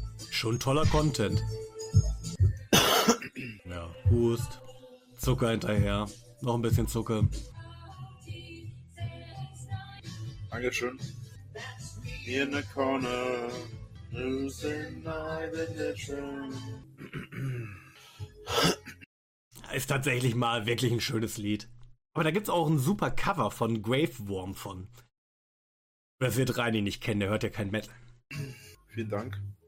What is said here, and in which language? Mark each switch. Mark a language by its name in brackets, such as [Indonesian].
[German] Schon toller Content. Ja, Hust, Zucker hinterher, noch ein bisschen Zucker. Dankeschön. [English] In the corner, losing my religion. [German] Ist tatsächlich mal wirklich ein schönes Lied. Aber da gibt's auch ein super Cover von Graveworm von. Wer wird Reini nicht kennen, der hört ja kein Metal. Vielen Dank.